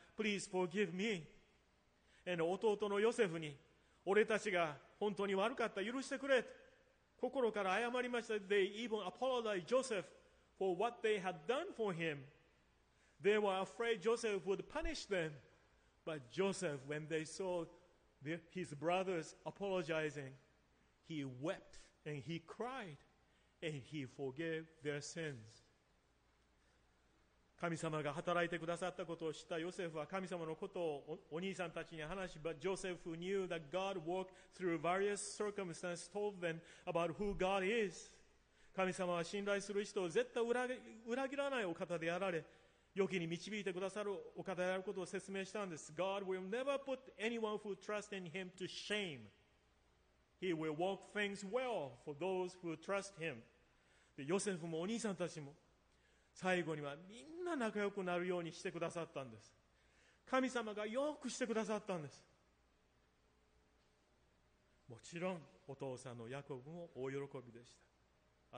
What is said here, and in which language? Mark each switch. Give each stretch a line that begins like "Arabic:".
English: Please forgive me.
Japanese: And 弟のヨセフに、俺たちが本当に悪かった、許してくれ。心から謝りました。
English: They even apologized Joseph for what they had done for him. They were afraid Joseph would punish them. But Joseph, when they saw his brothers apologizing, he wept and he cried and he forgave their sins.
Japanese: 神様が働いてくださったことを知ったヨセフは神様のことを お兄さんたちに話し、
English: But Joseph knew that God worked through various circumstances, told them about who God is.
Japanese: 神様は信頼する人を絶対裏切らないお方であられ、良きに導いてくださるお方であることを説明したんです。
English: God will never put anyone who trusts in Him to shame. He will work things well for those who trust Him.
Japanese: でヨセフもお兄さんたちも、最後にはみんな仲良くなるようにしてくださったんです。神様がよくしてくださったんです。もちろんお父さんのヤコブも大喜びでした。